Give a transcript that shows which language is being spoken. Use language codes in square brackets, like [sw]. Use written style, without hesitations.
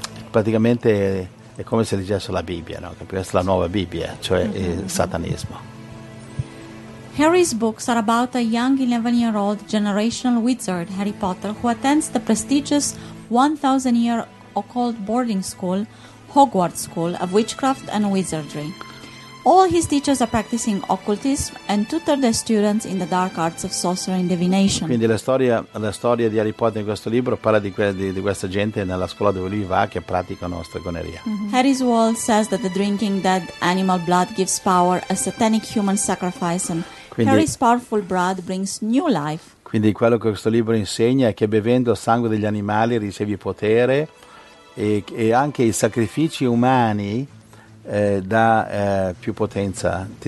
[it] Praticamente è come se leggesse la Bibbia, no? Questa è la nuova Bibbia, cioè il satanismo. [en] Harry's books are about a young 11-year-old generational wizard, Harry Potter, who attends the prestigious 1,000-year occult boarding school, Hogwarts School of Witchcraft and Wizardry. All his teachers are practicing occultism and tutor their students in the dark arts of sorcery and divination. [it] Quindi la storia di Harry Potter in questo libro parla di questa gente nella scuola dove lui va che praticano stregoneria. Mm-hmm. [en] Harry's world says that the drinking dead animal blood gives power, a satanic human sacrifice, and quindi, Harry's powerful blood brings new life. [it] Quindi quello che questo libro insegna è che bevendo sangue degli animali ricevi potere e anche i sacrifici umani ti dà più potenza.